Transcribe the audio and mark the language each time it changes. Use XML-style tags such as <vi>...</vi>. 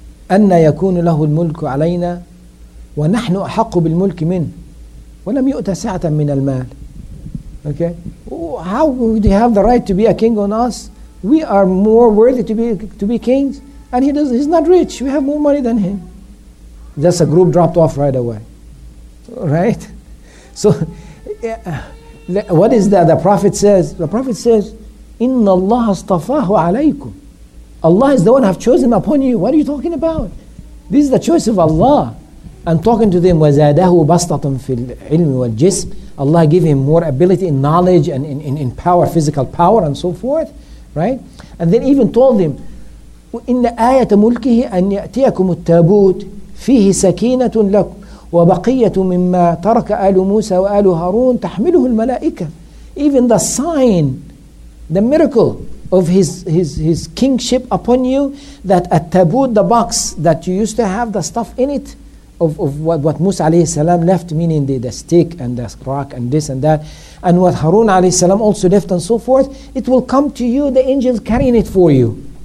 <ar>أَنَّ يَكُونُ لَهُ الْمُلْكُ عَلَيْنَا وَنَحْنُ أَحَقُّ بِالْمُلْكِ مِنْهُ وَلَمْ يُؤْتَ سَعَةً مِنَ الْمَالِ. Okay?</ar> <en>How would he have the right to be a king on us? We are more worthy to be kings. And he's not rich. We have more money than him. Just a group dropped off right away. Right? So, yeah, what is that? The Prophet says,</en> <ar>إِنَّ اللَّهَ اصْطَفَاهُ عَلَيْكُمْ.</ar> <en>Allah is the one who have chosen upon you. What are you talking about? This is the choice of Allah. And talking to them,</en> <ar>وَزَادَهُ بَسْطَةٌ فِي الْعِلْمِ وَالْجِسْمِ.</ar> <en>Allah give him more ability in knowledge and in power, physical power and so forth. Right? And then even told them,</en> <ar>إِنَّ آيَةَ مُلْكِهِ أَنْ يَأْتِيَكُمُ التَّابُوتِ فِيهِ سَكِينَةٌ لَكُمْ وَبَقِيَّةٌ مِمَّا تَرَكَ آلُ مُوسَى وَآلُ هَارُونَ تَحْمِلُهُ الْمَلَائِكَةِ.</ar> <en>Even the sign, the miracle of his kingship upon you, that a tabut, the box that you used to have the stuff in it of what Musa alayhi salam left, meaning the stick and the rock and this and that, and what Harun alayhi salam also left and so forth, it will come to you, the angels carrying it for you.</en>